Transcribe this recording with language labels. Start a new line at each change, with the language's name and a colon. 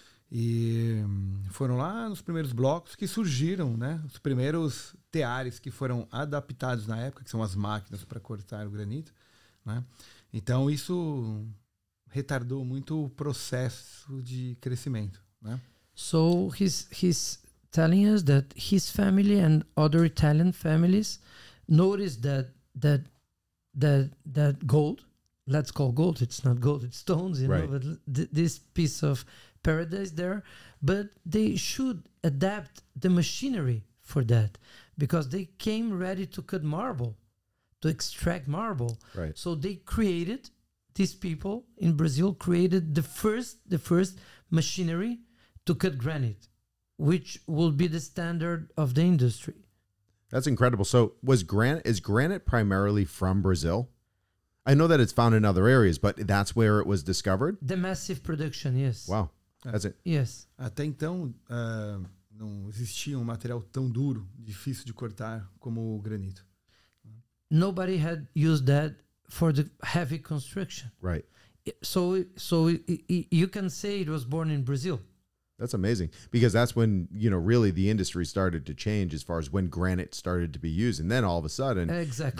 Portuguese: E foram lá nos primeiros blocos que surgiram, né? Os primeiros teares que foram adaptados na época, que são as máquinas para cortar o granito, né? Então, isso retardou muito o processo de crescimento, né?
English: So, he's telling us that his family and other Italian families noticed that gold, let's call gold, it's not gold, it's stones, you right. know, but this piece of paradise there. But they should adapt the machinery for that because they came ready to cut marble, to extract marble. Right. So they created, these people in Brazil created the first machinery to cut granite, which will be the standard of the industry. That's incredible. So is granite primarily from Brazil? I know that it's found in other areas, but that's where it was discovered? The massive production, yes. Wow. That's it. Yes.
Portuguese: Até então, não existia um material tão duro, difícil de cortar, como o granito.
English: Nobody had used that for the heavy construction. Right. So you can say it was born in Brazil. That's amazing. Because that's when, you know, really the industry started to change as far as when granite started to be used. And then all of a sudden, exactly.